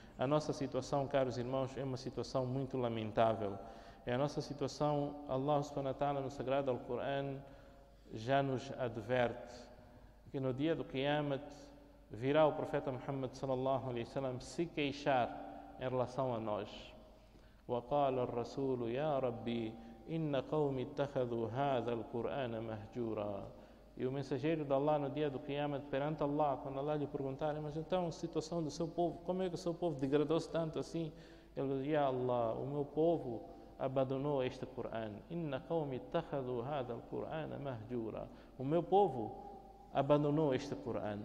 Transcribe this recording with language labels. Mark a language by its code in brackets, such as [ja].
[pt] A nossa situação, caros irmãos, é uma situação muito lamentável. É a nossa situação, Allah subhanahu wa ta'ala no Sagrado Al-Quran já nos adverte que no dia do Qiyamah virá o profeta Muhammad sallallahu alaihi wasallam se queixar em relação a nós. [ar] وقال الرسول يا ربي إن قومي اتخذوا هذا القرآن مهجورا. [pt] E o mensageiro de Allah no dia do Qiyamah perante Allah, quando Allah lhe perguntar, mas então a situação do seu povo, como é que o seu povo degradou-se tanto assim? Ele diz, ya Allah, o meu povo abandonou este Corão. [ar] Inna qawmi takhadu hadha al-Qur'an mahjura. [pt] O meu povo abandonou este Corão.